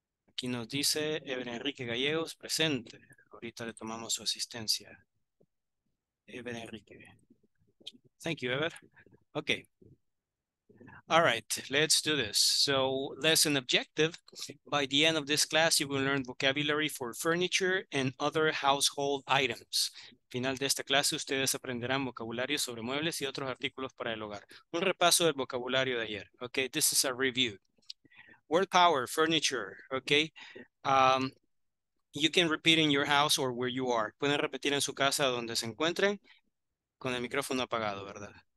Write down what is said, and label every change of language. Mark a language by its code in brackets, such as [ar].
[es] Aquí nos dice Ever Enrique Gallegos, presente. Ahorita le tomamos su asistencia. Ever Enrique. [en] Thank you, Ever. [es] Okay. [en] All right, let's do this. So, lesson objective. By the end of this class, you will learn vocabulary for furniture and other household items. [es] Final de esta clase, ustedes aprenderán vocabulario sobre muebles y otros artículos para el hogar. Un repaso del vocabulario de ayer. [en] Okay, this is a review. Word power, furniture. Okay. You can repeat in your house or where you are. [es] Pueden repetir en su casa donde se encuentren con el micrófono apagado, ¿verdad?